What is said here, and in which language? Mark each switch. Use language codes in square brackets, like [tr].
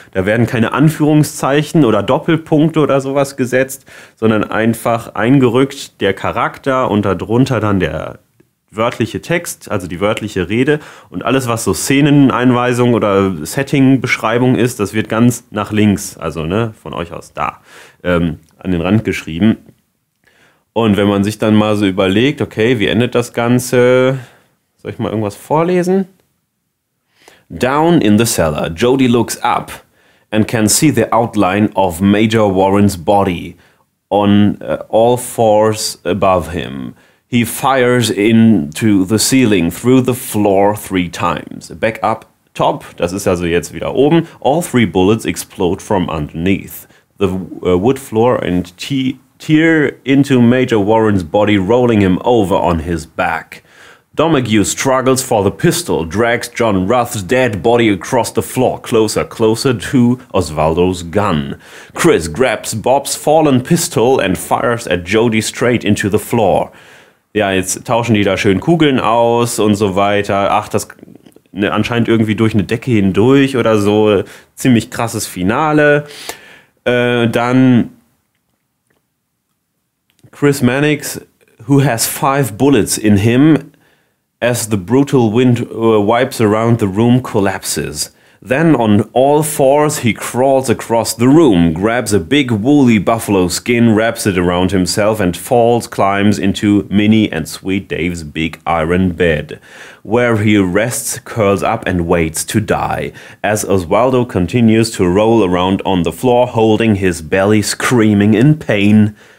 [de] Da werden keine Anführungszeichen oder Doppelpunkte oder sowas gesetzt, sondern einfach eingerückt der Charakter und darunter dann der wörtliche Text, also die wörtliche Rede und alles, was so Szeneneinweisung oder Setting-Beschreibung ist, das wird ganz nach links, also ne, von euch aus da, an den Rand geschrieben. Und wenn man sich dann mal so überlegt, okay, wie endet das Ganze? Soll ich mal irgendwas vorlesen? [en] Down in the cellar, Jody looks up and can see the outline of Major Warren's body on all fours above him. He fires into the ceiling through the floor 3 times. Back up top, [de] das ist also jetzt wieder oben, [en] all 3 bullets explode from underneath. The wood floor and tear into Major Warren's body, rolling him over on his back. Domegue struggles for the pistol, drags John Ruth's dead body across the floor, closer, closer to Osvaldo's gun. Chris grabs Bob's fallen pistol and fires at Jody straight into the floor. [de] Ja, jetzt tauschen die da schön Kugeln aus und so weiter. Ach, das anscheinend irgendwie durch eine Decke hindurch oder so. Ziemlich krasses Finale. Dann [en] Chris Mannix, who has 5 bullets in him, as the brutal wind wipes around the room, collapses. Then on all fours, he crawls across the room, grabs a big woolly buffalo skin, wraps it around himself and falls, climbs into Minnie and Sweet Dave's big iron bed, where he rests, curls up and waits to die, as Osvaldo continues to roll around on the floor, holding his belly, screaming in pain.